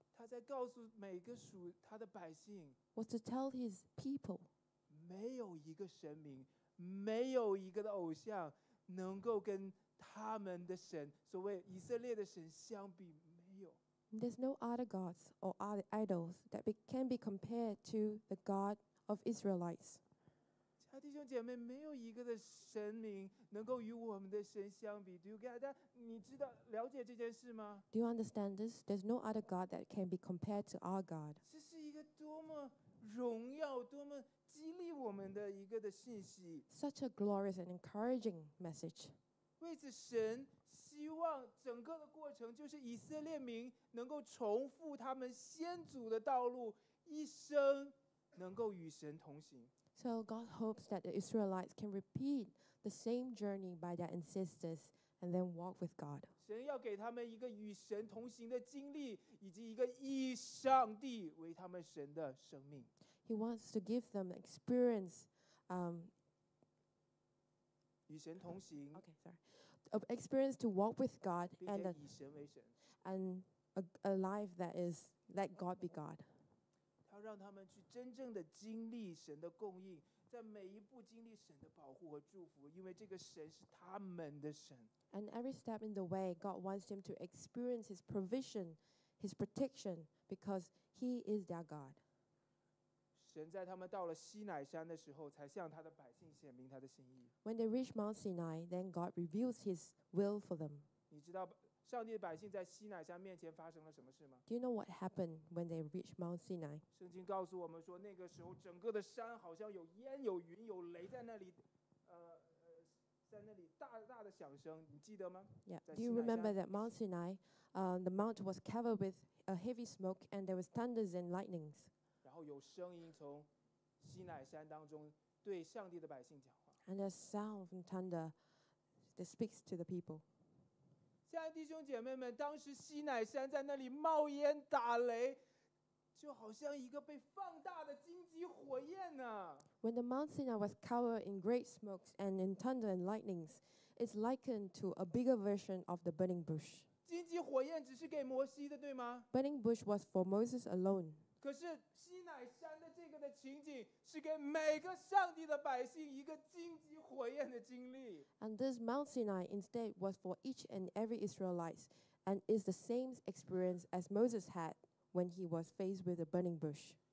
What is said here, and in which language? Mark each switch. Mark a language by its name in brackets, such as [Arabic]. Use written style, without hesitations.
[Chinese] 他在告诉每个属他的百姓 [English] was to tell his people, [Chinese] 没有一个神明，没有一个的偶像能够跟他们的神，所谓以色列的神相比，没有。 [English] There's no other gods or other idols that can be compared to the God of Israelites. [Chinese] 亲爱的弟兄姐妹，没有一个的神明能够与我们的神相比。 [English] Do you get that? [Chinese] 你知道了解这件事吗？ [English] Do you understand this? There's no other God that can be compared to our God. [Chinese] 这是一个多么荣耀，多么激励我们的一个的信息。 [English] Such a glorious and encouraging message. [Chinese] 为此，神希望整个的过程就是以色列民能够重复他们先祖的道路，一生能够与神同行。 [English] So God hopes that the Israelites can repeat the same journey by their ancestors and then walk with God. [Chinese] 神要给他们一个与神同行的经历，以及一个以上帝为他们神的生命。 [English] He wants to give them experience, [Chinese] 与神同行。 [English] Okay, sorry. Experience to walk with God [Chinese] and 并且以神为神。 [English] And a life that is let God be God. [Chinese] 他让他们去真正的经历神的供应。在每一步经历神的保护和祝福，因为这个神是他们的神。 [English] And every step in the way, God wants them to experience His provision, His protection, because He is their God. [Chinese] 神在他们到了西乃山的时候，才向他的百姓显明他的心意。 [English] When they reach Mount Sinai, then God reveals His will for them. [Chinese] 你知道上帝的百姓在西乃山面前发生了什么事吗？ [English] Do you know what happened when they reached Mount Sinai? [Chinese] 圣经告诉我们说，那个时候整个的山好像有烟、有云、有雷在那里，在那里大大的响声，你记得吗？ [English] Yeah. Do you remember that Mount Sinai? The mount was covered with a heavy smoke, and there was thunders and lightnings. [Chinese] 然后有声音从西乃山当中对上帝的百姓讲话。 [English] And a sound from thunder that speaks to the people. [Chinese] 亲爱的弟兄姐妹们，当时西乃山在那里冒烟打雷，就好像一个被放大的荆棘火焰呢。 [English] When the Mount Sinai was covered in great smokes and in thunder and lightnings, it's likened to a bigger version of the burning bush. [Chinese] 荆棘火焰只是给摩西的，对吗 [English] ？Burning bush was for Moses alone. [Chinese] 可是西乃山的这个的情景是给每个上帝的百姓一个荆棘火焰的经历。 [English] And this Mount Sinai instead was for each and every Israelite, and is the same experience as Moses had. When he was faced with a burning bush.